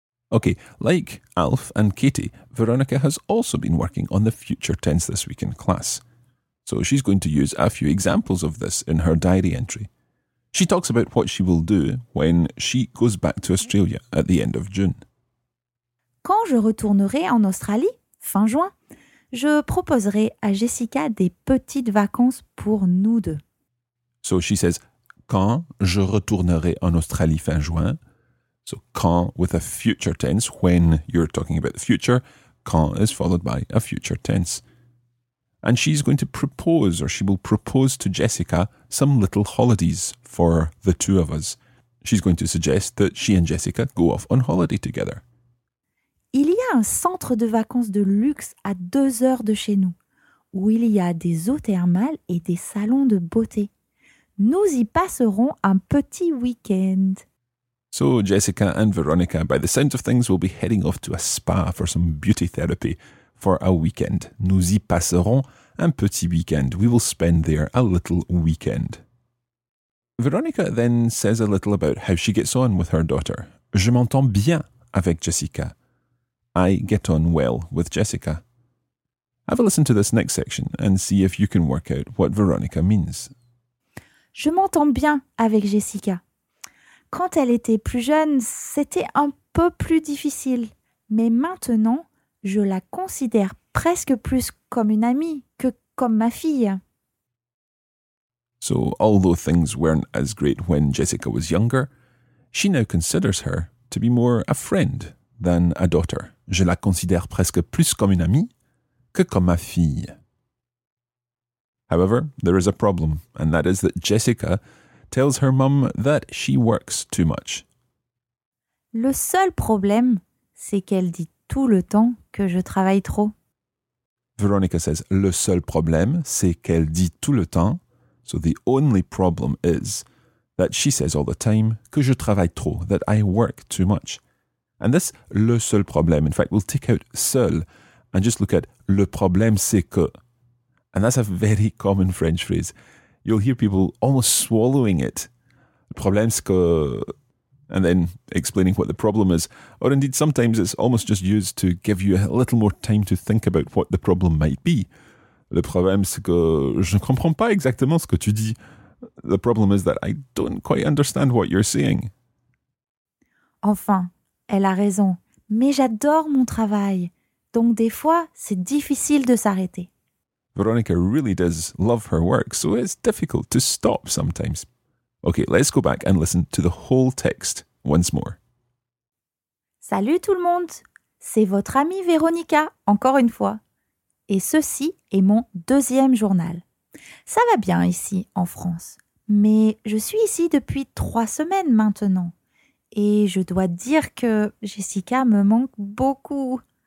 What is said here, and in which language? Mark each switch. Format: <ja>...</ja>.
<en>Okay, like Alf and Katie, Veronica has also been working on the future tense this week in class. So she's going to use a few examples of this in her diary entry. She talks about what she will do when she goes back to Australia at the end of June.</en> <fr>Quand je retournerai en Australie, fin juin, je proposerai à Jessica des petites vacances pour nous deux.</fr> <en>So she says,</en> <fr>quand je retournerai en Australie fin juin.</fr> <en>So, quand with a future tense, when you're talking about the future, quand is followed by a future tense. And she's going to propose, or she will propose to Jessica, some little holidays for the two of us. She's going to suggest that she and Jessica go off on holiday together.</en> <fr>Il y a un centre de vacances de luxe à 2 heures de chez nous, où il y a des eaux thermales et des salons de beauté. Nous y passerons un petit week-end.</fr> <en>So Jessica and Veronica, by the sound of things, will be heading off to a spa for some beauty therapy for a weekend.</en> <fr>Nous y passerons un petit week-end.</fr> <en>We will spend there a little weekend. Veronica then says a little about how she gets on with her daughter.</en> <fr>Je m'entends bien avec Jessica.</fr> <en>I get on well with Jessica. Have a listen to this next section and see if you can work out what Veronica means.</en> <fr>Je m'entends bien avec Jessica. Quand elle était plus jeune, c'était un peu plus difficile. Mais maintenant, je la considère presque plus comme une amie que comme ma fille.</fr> <en>So, although things weren't as great when Jessica was younger, she now considers her to be more a friend than a daughter.</en> <fr>Je la considère presque plus comme une amie que comme ma fille.</fr> <en>However, there is a problem, and that is that Jessica tells her mum that she works too much.</en> <fr>Le seul problème, c'est qu'elle dit tout le temps que je travaille trop.</fr> <en>Veronica says,</en> <fr>le seul problème, c'est qu'elle dit tout le temps.</fr> <en>So the only problem is that she says all the time</en> <fr>que je travaille trop,</fr> <en>that I work too much. And this,</en> <fr>le seul problème,</fr> <en>in fact, we'll take out seul and just look at</en> <fr>le problème, c'est que.</fr> <en>And that's a very common French phrase. You'll hear people almost swallowing it.</en> <fr>Le problème c'est que...</fr> <en>And then explaining what the problem is. Or indeed, sometimes it's almost just used to give you a little more time to think about what the problem might be.</en> <fr>Le problème c'est que... Je ne comprends pas exactement ce que tu dis.</fr> <en>The problem is that I don't quite understand what you're saying.</en> <fr>Enfin, elle a raison. Mais j'adore mon travail. Donc des fois, c'est difficile de s'arrêter.</fr> <en>Veronica really does love her work, so it's difficult to stop sometimes. Okay, let's go back and listen to the whole text once more.</en> <fr>Salut tout le monde, c'est votre amie Veronica, encore une fois. Et ceci est mon deuxième journal. Ça va bien ici, en France, mais je suis ici depuis 3 semaines maintenant. Et je dois dire que Jessica me manque beaucoup.</fr>